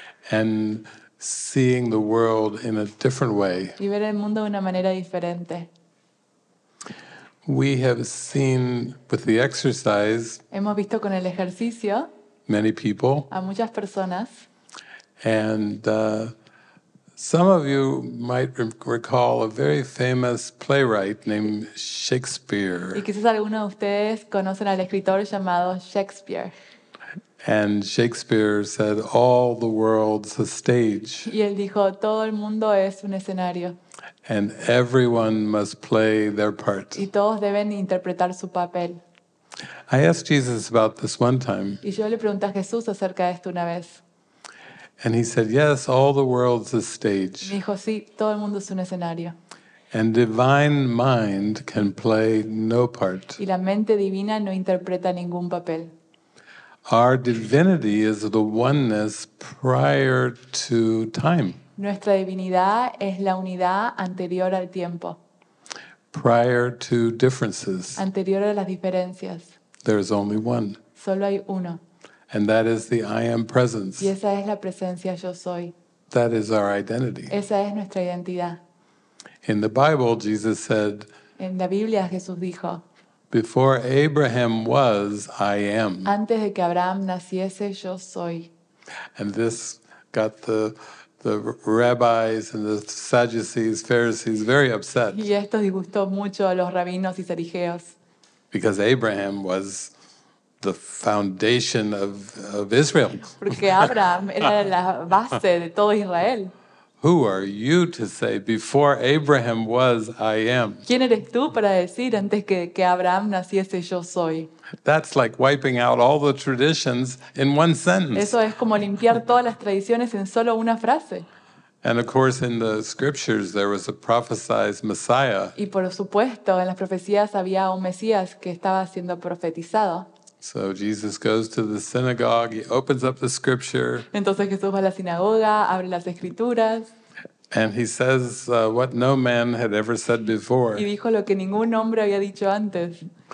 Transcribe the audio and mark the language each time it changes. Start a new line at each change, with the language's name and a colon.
English: And seeing the world in a different way.
Spanish: Y ver el mundo de una manera diferente.
English: We have seen with the exercise.
Spanish: Hemos visto con el ejercicio.
English: Many people.
Spanish: A muchas personas.
English: And some of you might recall a very famous playwright named Shakespeare.
Spanish: Y quizás algunos de ustedes conocen al escritor llamado Shakespeare.
English: And Shakespeare said, "All the world's a stage."
Spanish: Y él dijo, "Todo el mundo es un escenario."
English: And everyone must play their part.
Spanish: Y todos deben interpretar su papel.
English: I asked Jesus about this one time.
Spanish: Y yo le pregunté a Jesús acerca de esto una vez.
English: And he said, "Yes, all the world's a stage."
Spanish: Me dijo, sí, todo el mundo es un escenario.
English: And divine mind can play no part.
Spanish: Y la mente divina no interpreta ningún papel.
English: Our divinity is the oneness prior to time.
Spanish: Nuestra divinidad es la unidad anterior al tiempo.
English: Prior to differences.
Spanish: Anterior a las diferencias.
English: There is only one.
Spanish: Solo hay uno.
English: And that is the I am presence.
Spanish: Y esa es la presencia yo soy.
English: That is our identity.
Spanish: Esa es nuestra identidad.
English: In the Bible, Jesus said.
Spanish: En la Biblia, Jesús dijo.
English: Before Abraham was, I am.
Spanish: Antes de que Abraham naciese, yo soy.
English: And this got the rabbis and the Sadducees, Pharisees, very upset.
Spanish: Y esto disgustó mucho a los rabinos y saduceos.
English: Because Abraham was the foundation of Israel.
Spanish: Porque Abraham era la base de todo Israel.
English: Who are you to say before Abraham was I am?
Spanish: ¿Quién eres tú para decir antes que Abraham naciese yo soy?
English: That's like wiping out all the traditions in one sentence.
Spanish: Eso es como limpiar todas las tradiciones en solo una frase.
English: And of course in the scriptures there was a prophesied Messiah.
Spanish: Y por supuesto en las profecías había un Mesías que estaba siendo profetizado.
English: So Jesus goes to the synagogue, he opens up the scripture.
Spanish: Entonces Jesús va a la sinagoga, abre las escrituras.
English: And he says what no man had ever said before.
Spanish: Y dijo lo que ningún hombre había dicho antes.